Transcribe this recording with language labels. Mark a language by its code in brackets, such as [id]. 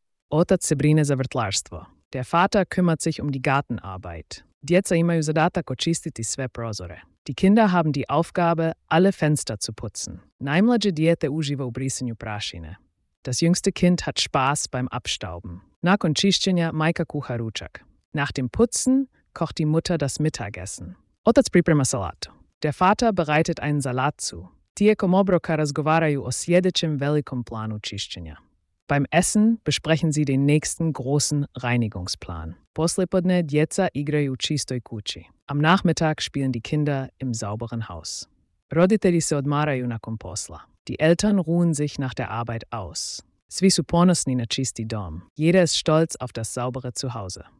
[hr] Otac se brine za vrtlarstvo. [de] Der Vater kümmert sich die Gartenarbeit. [hr] Djeca imaju zadatak očistiti sve prozore. [de] Die Kinder haben die Aufgabe, alle Fenster zu putzen. [hr] Najmlađe dijete uživa u brisanju prašine. [de] Das jüngste Kind hat Spaß beim Abstauben. [hr] Nakon čišćenja, Maika kuha ručak. [de] Nach dem Putzen kocht die Mutter das Mittagessen. [hr] Otac priprema salatu. [de] Der Vater bereitet einen Salat zu. [hr] Tijekom obroka razgovaraju o sljedećem velikom planu čišćenja. [de] Beim Essen besprechen sie den nächsten großen Reinigungsplan. [hr] Poslepodne djeca igraju u čistoj kući. [de] Am Nachmittag spielen die Kinder im sauberen Haus. [hr] Roditelji se odmaraju nakon posla. [de] Die Eltern ruhen sich nach der Arbeit aus. [hr] Svi su ponosni na čisti dom. [de] Jeder ist stolz auf das saubere Zuhause.